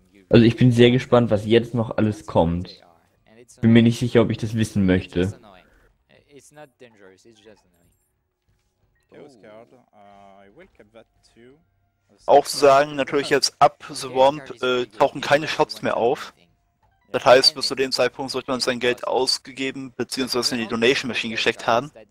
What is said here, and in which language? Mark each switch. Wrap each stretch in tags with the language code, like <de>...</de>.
<de>Also ich bin sehr gespannt, was jetzt noch alles kommt. Bin mir nicht sicher, ob ich das wissen möchte.</de> <en>It's not dangerous, it's just annoying. Chaos Card, I will keep that too.</en> <de>Auch zu sagen, natürlich jetzt ab The Womp tauchen keine Shops mehr auf. Das heißt, bis zu dem Zeitpunkt sollte man sein Geld ausgegeben bzw. in die Donation Machine gesteckt haben.</de>